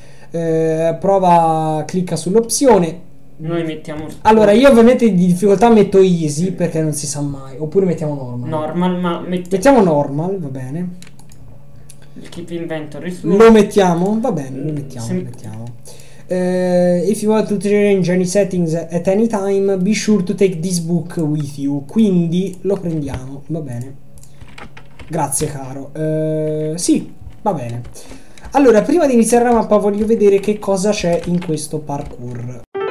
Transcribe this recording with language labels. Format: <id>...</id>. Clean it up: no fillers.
<it>Prova, clicca sull'opzione. Noi mettiamo... Allora, io ovviamente di difficoltà metto easy, perché non si sa mai. Oppure mettiamo normal. Normal, ma mettiamo normal, va bene. Il Keep Inventory. Lo mettiamo, va bene, lo mettiamo, lo mettiamo.</it> <en>If you want to change any settings at any time, be sure to take this book with you.</en> <it>Quindi lo prendiamo, va bene. Grazie, caro. Sì, va bene. Allora, prima di iniziare la mappa, voglio vedere che cosa c'è in questo parkour.</it>